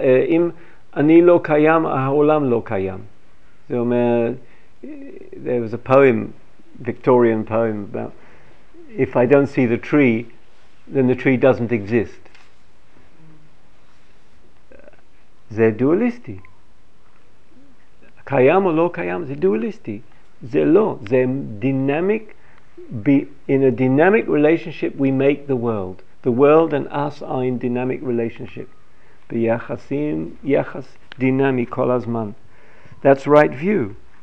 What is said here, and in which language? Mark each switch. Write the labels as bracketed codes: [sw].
[he] אם אני לא קיים, העולם לא קיים. זה אומר, [en] there was a poem, Victorian poem, about if I don't see the tree, then the tree doesn't exist. [he] זה דואליסטי. קיים או לא קיים, זה דואליסטי. זה לא. [en] זה dynamic, in a dynamic relationship we make the world. The world and us are in dynamic relationship. [he] ביחסים, יחס דינמי כל הזמן. [en] That's right view.